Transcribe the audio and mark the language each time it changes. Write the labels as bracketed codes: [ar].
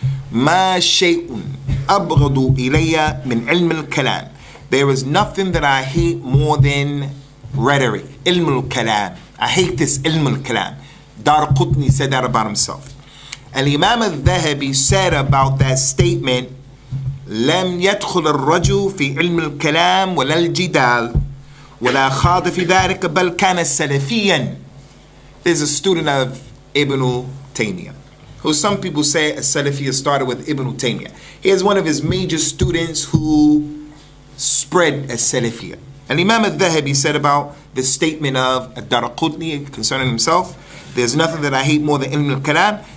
[ar] Ma shay'un abghadu ilayya min ilm al-kalam. [en] There is nothing that I hate more than rhetoric. Ilm al-kalam. I hate this ilm al-kalam. Daraqutni said that about himself. Al-Imam al-Dhahabi said about that statement, [ar] لَمْ يَدْخُلَ الرَّجُّ فِي عِلْمِ الْكَلَامِ وَلَا الْجِدَالِ وَلَا خَاضَ فِي ذَٰرِكَ بَلْ كَانَ سَلَفِيًّا. [en] There's a student of Ibn Taymiyyah, who some people say a Salafiyyah started with Ibn Taymiyyah. He is one of his major students who spread a Salafiyyah. Al-Imam al-Dhahabi said about the statement of al-Daraqutni concerning himself, there's nothing that I hate more than ilm al-kalam.